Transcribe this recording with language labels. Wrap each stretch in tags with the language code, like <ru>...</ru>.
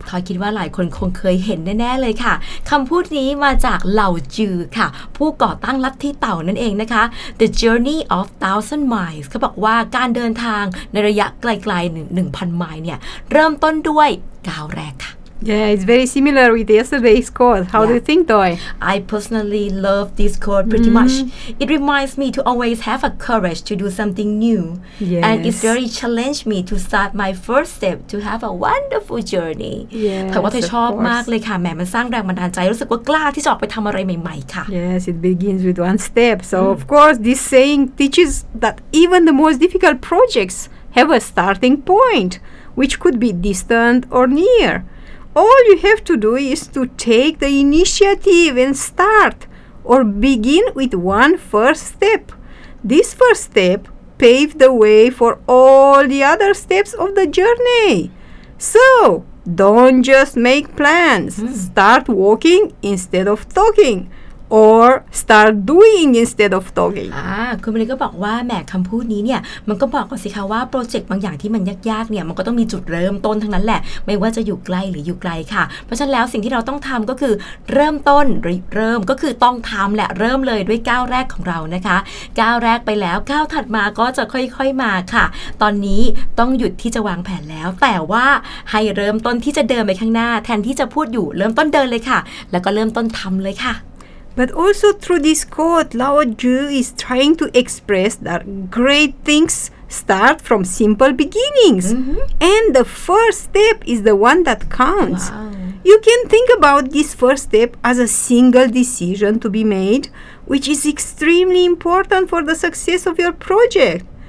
<th>ทอยคิดว่าหลายคนคงเคยเห็นแน่ๆเลยค่ะคำพูดนี้มาจากเหล่าจือค่ะผู้ก่อตั้งลัทธิเต่านั่นเองนะคะ</th> <en>The journey of thousand miles</en> <th>เขาบอกว่าการเดินทางในระยะไกลๆ 1,000 ไมล์เนี่ยเริ่มต้นด้วยก้าวแรกค่ะ</th> <en>Yeah, it's very similar with yesterday's quote. How do you think, Toy? I personally love this quote pretty much. It reminds me to always have a courage to do something new. Yes. And it really challenged me to start my first step to have a wonderful journey. Yes,</en> <th>แต่ว่าเธอชอบมากเลยค่ะแหมมันสร้างแรงบันดาลใจรู้สึกว่ากล้าที่จะออกไปทำอะไรใหม่ๆค่ะ</th> <en>Yes, it begins with one step. So, of course, this saying teaches that even the most difficult projects have a starting point, which could be distant or near. All you have to do is to take the initiative and start or begin with one first step. This first step paved the way for all the other steps of the journey. So, don't just make plans. Start walking instead of talking. Or start doing instead of talking.</en> <th>คุณมิลลี่ก็บอกว่าแหมคำพูดนี้เนี่ยมันก็บอกกันสิคะว่าโปรเจกต์บางอย่างที่มันยากๆเนี่ยมันก็ต้องมีจุดเริ่มต้นทั้งนั้นแหละไม่ว่าจะอยู่ใกล้หรืออยู่ไกลค่ะเพราะฉะนั้นแล้วสิ่งที่เราต้องทำก็คือเริ่มต้นเริ่มก็คือต้องทำแหละเริ่มเลยด้วยก้าวแรกของเรานะคะก้าวแรกไปแล้วก้าวถัดมาก็จะค่อยๆมาค่ะตอนนี้ต้องหยุดที่จะวางแผนแล้วแต่ว่าให้เริ่มต้นที่จะเดินไปข้างหน้าแทนที่จะพูดอยู่เริ่มต้นเดินเลยค่ะแล้วก็เริ่มต้นทำเลยค่ะ</th> <en>But also through this quote, Lao Tzu is trying to express that great things start from simple beginnings. And the first step is the one that counts. Wow. You can think about this first step as a single decision to be made, which is extremely important for the success of your project.</en>